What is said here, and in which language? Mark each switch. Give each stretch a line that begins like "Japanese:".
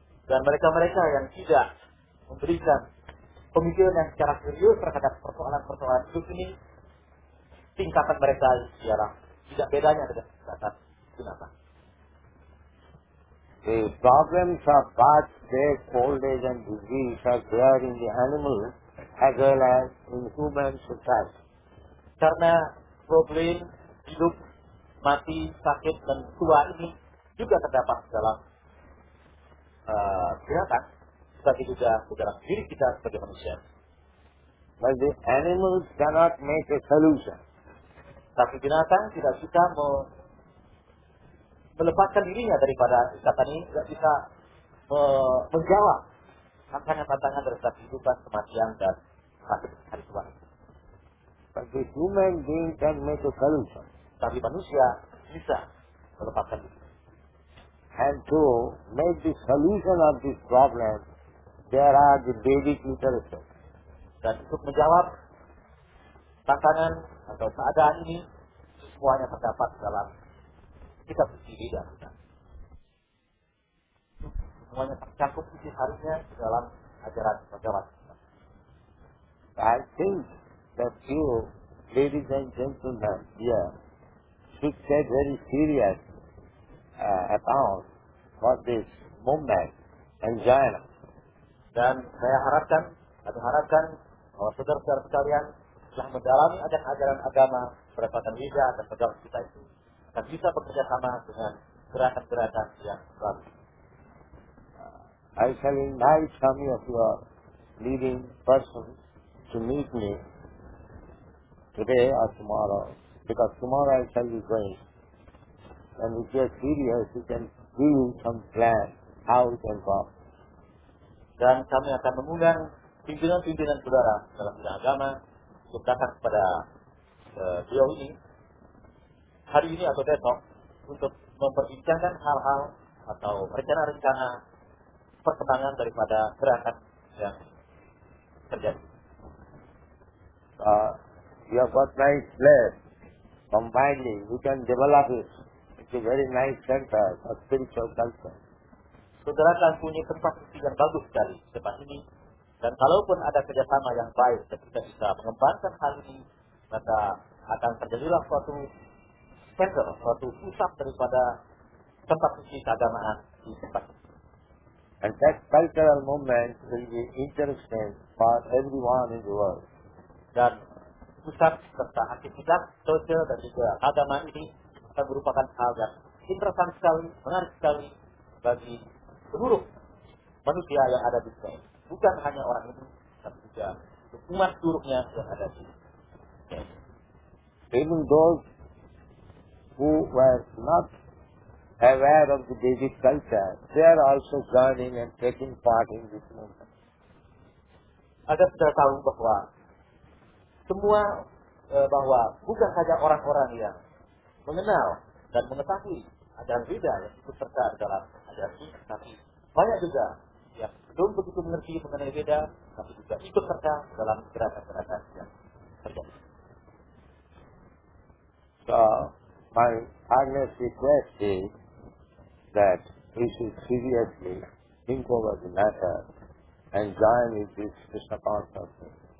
Indonesian: Dan mereka-mereka yang tidak memberikan pemikiran yang secara serius terhadap persoalan-persoalan itu ini, tingkatan mereka ialah tidak bedanya dengan tingkatan binatang.
English: The problems of birth, death, old age and disease are there in the animal as well as in human society.
Indonesian: Karena problem hidup, mati, sakit dan tua ini juga terdapat dalam binatang, tapi juga dalam diri kita sebagai manusia.
English: But the animals cannot make a solution.
Indonesian: Tapi binatang tidak bisa melepaskan dirinya daripada ikatan ini, tidak bisa menjawab tantangan-tantangan terhadap kehidupan, kematian, dan hari tua. Tapi
English: human being can make a solution.
Indonesian: Tapi manusia bisa melepaskan diri.
English: And to make the solution of this problem, there are the basic interests.
Indonesian: Dan untuk menjawab tantangan atau keadaan ini, semuanya terdapat dalam kita sendiri dan semuanya tercakup di harusnya dalam Ajarat Bhagavat.
English: I think that you, ladies and gentlemen here, should get very serious about what this movement and jhana.
Indonesian: Dan saya harapkan, kami harapkan bahwa saudara-saudara sekalian telah mendalami ajaran-ajaran agama berdasarkan wija dan pegawai kita itu akan bisa bekerja sama dengan gerakan-gerakan yang baru.
English: I shall invite some of your leading persons to meet me today or tomorrow, because tomorrow I shall be going. And if you are serious, we can give some plan how it can go.
Indonesian: Dan kami akan mengundang pimpinan-pimpinan saudara dalam bidang agama untuk datang kepada beliau ini hari ini atau besok untuk memperbincangkan hal-hal atau rencana-rencana perkembangan daripada gerakan yang terjadi.
English: You have got nice place combining, you can develop it. It's a very nice center for spiritual culture.
Indonesian: Saudara kan punya tempat yang bagus sekali di tempat ini. Dan kalaupun ada kerjasama yang baik dan kita bisa mengembangkan hal ini, maka akan terjadilah suatu center, suatu pusat daripada tempat suci keagamaan di tempat ini.
English: And that cultural moment will be interesting for everyone in the world.
Indonesian: Dan pusat serta aktivitas sosial dan juga agama ini akan merupakan hal yang interesting sekali, menarik sekali bagi seluruh manusia yang ada di sini, bukan hanya orang itu, tapi juga umat seluruhnya yang ada di sini.
English: Even those who were not aware of the Vedic culture, they are also learning and taking part in this movement.
Indonesian: Agar kita tahu bahwa semua bahwa bukan saja orang-orang yang mengenal dan mengetahui ajaran Veda yang ikut serta dalam ajaran ini, tapi banyak juga yang belum begitu mengerti mengenai Veda, tapi juga ikut serta dalam gerakan-gerakan yang terjadi.
English: So, my earnest request is that we should seriously think over the matter and join with this Krishna consciousness.